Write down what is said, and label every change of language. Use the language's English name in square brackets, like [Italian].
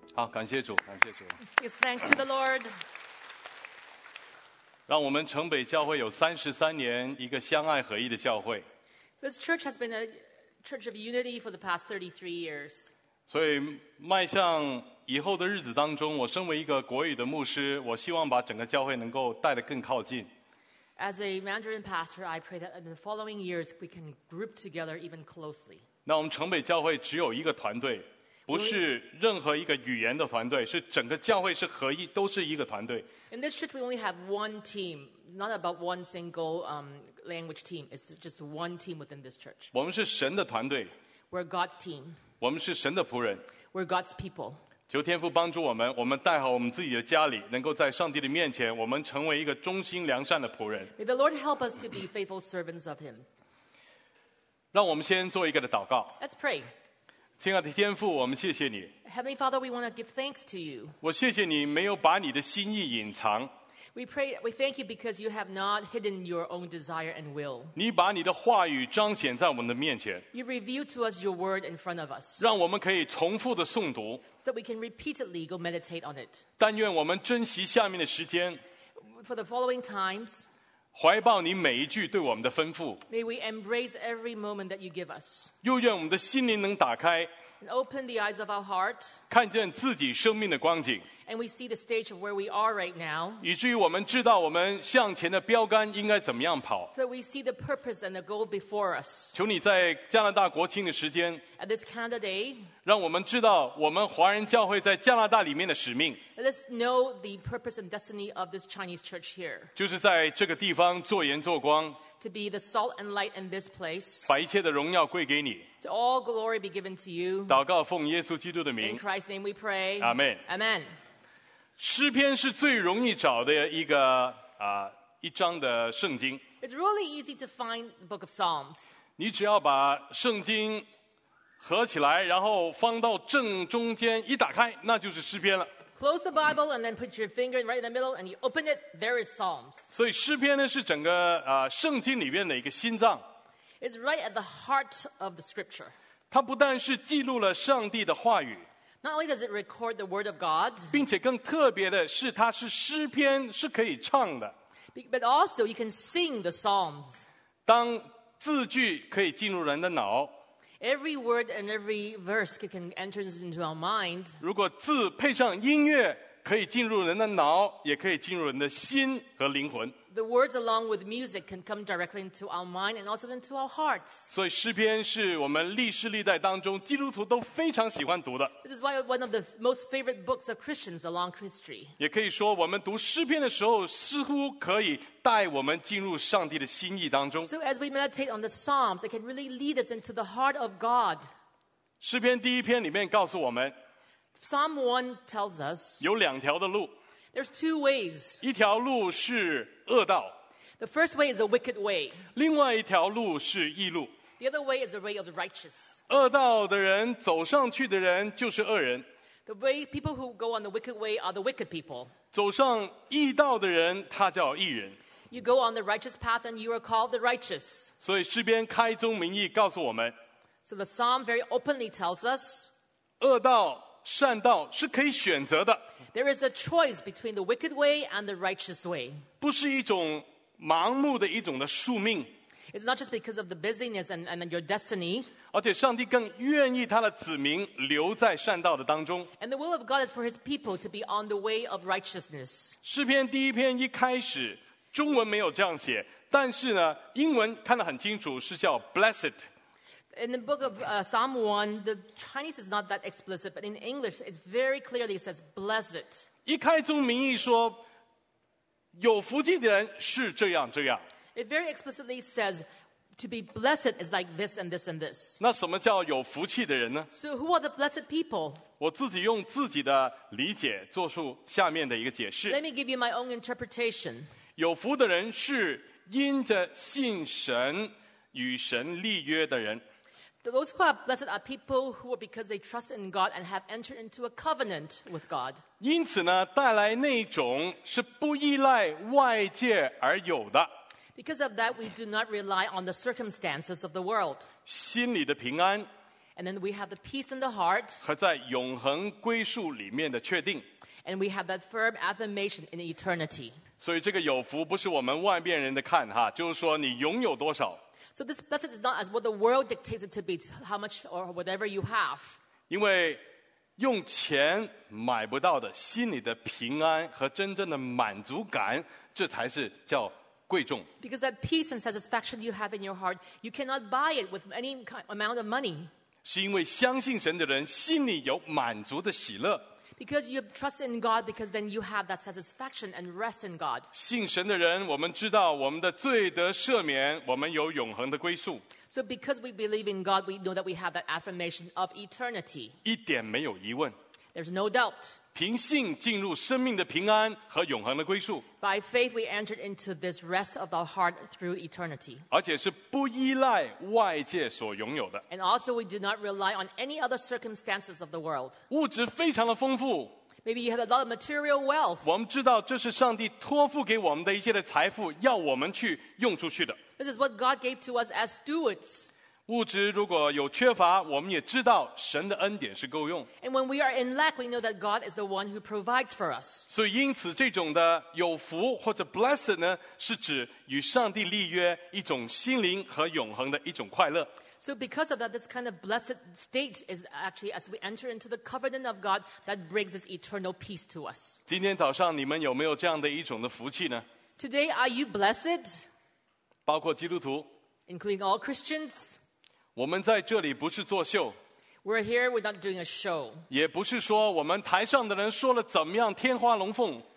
[Chinese] 感谢主，感谢主。 [English] Give thanks to the Lord. [Chinese] 让我们城北教会有33年一个相爱合一的教会。 [English] This church has been a church of unity for the past 33 years. [Chinese] 所以迈向以后的日子当中，我身为一个国语的牧师，我希望把整个教会能够带得更靠近。 [English] As a Mandarin pastor, I pray that in the following years we can group together even closely. [Chinese] 那我们城北教会只有一个团队。不是任何一个语言的团队，是整个教会是合一，都是一个团队。 [English] In this church, we only have one team. It's not about one single language team. It's just one team within this church. [Chinese] 我们是神的团队。 [English] We're God's team. [Chinese] 我们是神的仆人。 [English] We're God's people. [Chinese] 求天父帮助我们，我们带好我们自己的家里，能够在上帝的面前，我们成为一个忠心良善的仆人。 [English] May the Lord help us to be faithful servants of Him. [Chinese] 让我们先做一个的祷告。 [English] Let's pray. [Chinese] 亲爱的天父，我们谢谢你。 [English] Heavenly Father, we want to give thanks to you. [Chinese] 我谢谢你没有把你的心意隐藏。 [English] We thank you because you have not hidden your own desire and will. [Chinese] 你把你的话语彰显在我们的面前。 [English] You revealed to us your word in front of us. [Chinese] 让我们可以重复的诵读。 [English] So that we can repeatedly go meditate on it. [Chinese] 但愿我们珍惜下面的时间。 [English] For the following times. [Chinese] 怀抱你每一句对我们的吩咐。 [English] May we embrace every moment that you give us. [Chinese] 又愿我们的心灵能打开。 [English] And open the eyes of our heart. [Chinese] 看见自己生命的光景。 [English] And we see the stage of where we are right now. [Chinese] 以至于我们知道我们向前的标杆应该怎么样跑。 [English] So we see the purpose and the goal before us. [Chinese] 求你在加拿大国庆的时间。 [English] At this Canada Day. [Chinese] 让我们知道我们华人教会在加拿大里面的使命。 [English] Let us know the purpose and destiny of this Chinese church here. [Chinese] 就是在这个地方做盐做光。 [English] To be the salt and light in this place. [Chinese] 把一切的荣耀归给你。 [English] To all glory be given to you. [Chinese] 祷告奉耶稣基督的名。 [English] In Christ's name we pray. Amen. Amen. [Chinese] 诗篇是最容易找的一个一章的圣经。 [English] It's really easy to find the book of Psalms. [Chinese] 你只要把圣经合起来，然后放到正中间，一打开，那就是诗篇了。 [English] Close the Bible and then put your finger right in the middle and you open it, there is Psalms. [Chinese] 所以诗篇呢是整个圣经里面的一个心脏。 [English] It's right at the heart of the scripture. [Chinese] 它不但是记录了上帝的话语。 [English] Not only does it record the word of God, [Chinese] 并且更特别的是它是诗篇是可以唱的。 [English] But also you can sing the Psalms. [Chinese] 当字句可以进入人的脑。 [English] Every word and every verse can enter into our mind. [Chinese] 如果字配上音乐可以进入人的脑也可以进入人的心和灵魂。 [English] The words along with music can come directly into our mind and also into our hearts. [Chinese] 所以诗篇是我们历世历代当中基督徒都非常喜欢读的。 [English] This is why one of the most favorite books of Christians along history. [Chinese] 也可以说我们读诗篇的时候似乎可以带我们进入上帝的心意当中。 [English] So as we meditate on the Psalms, it can really lead us into the heart of God. [Chinese] 诗篇第一篇里面告诉我们 [English] Psalm 1 tells us [Chinese] 有两条的路。 [English] There's two ways. [Chinese] 一条路是恶道。 [English] The first way is a wicked way. [Chinese] 另外一条路是义路。 [English] The other way is the way of the righteous. [Chinese] 恶道的人走上去的人就是恶人。 [English] The way people who go on the wicked way are the wicked people. [Chinese] 走上义道的人他叫义人。 [English] You go on the righteous path and you are called the righteous. [Chinese] 所以诗篇开宗明义告诉我们。 [English] So the psalm very openly tells us. [Chinese] 恶道善道是可以选择的。 [English] There is a choice between the wicked way and the righteous way. [Chinese] 不是一种盲目的一种的宿命。 [English] It's not just because of the busyness and your destiny. [Chinese] 而且上帝更愿意他的子民留在善道的当中。 [English] And the will of God is for his people to be on the way of righteousness. [Chinese] 诗篇第一篇一开始，中文没有这样写，但是呢，英文看得很清楚，是叫 blessed。 [English] In the book of Psalm 1, the Chinese is not that explicit, but in English, it very clearly says, blessed. [Chinese] 一开宗明义说，有福气的人是这样这样。 [English] It very explicitly says, to be blessed is like this and this and this. [Chinese] 那什么叫有福气的人呢？ [English] So who are the blessed people? [Chinese] 我自己用自己的理解做出下面的一个解释。 [English] Let me give you my own interpretation. [Chinese] 有福的人是因着信神与神立约的人。 [English] Those who are blessed are people who are because they trust in God and have entered into a covenant with God. [Chinese] 因此呢，带来那种是不依赖外界而有的。 [English] Because of that, we do not rely on the circumstances of the world. [Chinese] 心里的平安。 [English] And then we have the peace in the heart. [Chinese] 和在永恒归宿里面的确定。 [English] And we have that firm affirmation in eternity. [Chinese] 所以这个有福不是我们外面人的看哈，就是说你拥有多少。 [English] So this blessed is not as what the world dictates it to be, how much or whatever you have. [Chinese] 因为用钱买不到的心里的平安和真正的满足感，这才是叫贵重。 [English] Because that peace and satisfaction you have in your heart, you cannot buy it with any amount of money. [Chinese] 是因为相信神的人心里有满足的喜乐。 [English] Because you trust in God, because then you have that satisfaction and rest in God. [Chinese] 信神的人，我们知道我们的罪得赦免，我们有永恒的归宿。 [English] So because we believe in God, we know that we have that affirmation of eternity. [Chinese] 一点没有疑问。 [English] There's no doubt. [Chinese] 凭信进入生命的平安和永恒的归宿。 [English] By faith, we entered into this rest of our heart through eternity. [Chinese] 而且是不依赖外界所拥有的。 [English] And also, we do not rely on any other circumstances of the world. [Chinese] 物质非常的丰富。 [English] Maybe you have a lot of material wealth. [Chinese] 我们知道这是上帝托付给我们的一些的财富，要我们去用出去的。 [English] This is what God gave to us as stewards. [Chinese] 物质如果有缺乏，我们也知道神的恩典是够用。 [English] And when we are in lack, we know that God is the one who provides for us. [Chinese] 所以因此这种的有福或者 blessed 呢，是指与上帝立约，一种心灵和永恒的一种快乐。 [English] So because of that, this kind of blessed state is actually as we enter into the covenant of God that brings this eternal peace to us. [Chinese] 今天早上你们有没有这样的一种的福气呢？ [English] Today, are you blessed? [Chinese] 包括基督徒。 [English] Including all Christians? [Chinese] 我们在这里不是作秀。 [English] We're here, we're not doing a show. [Chinese] 也不是说我们台上的人说了怎么样天花龙凤。